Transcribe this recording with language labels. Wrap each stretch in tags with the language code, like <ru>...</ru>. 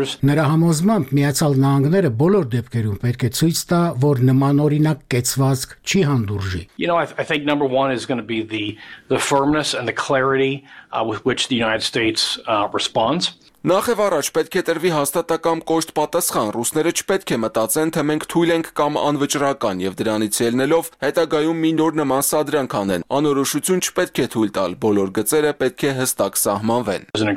<hy>Նրա համոզմամբ Միացյալ Նահանգները բոլոր դեպքերում պետք է ցույց տա, որ նմանօրինակ կեցվածք չի հանդուրժի։</hy> <en>You know, I think number one is going to be the firmness and the clarity with which the United States responds.</en> <hy>Նախև առաջ պետք է տրվի հաստատակամ կոշտ պատասխան, ռուսները չպետք է մտածեն, թե մենք թույլ ենք կամ անվճռական եւ դրանից ելնելով հետագայում մի նոր նման սադրանք անեն։ Անորոշություն չպետք է թույլ տալ, բոլոր գծերը պետք է հստակ սահմանվեն։</hy>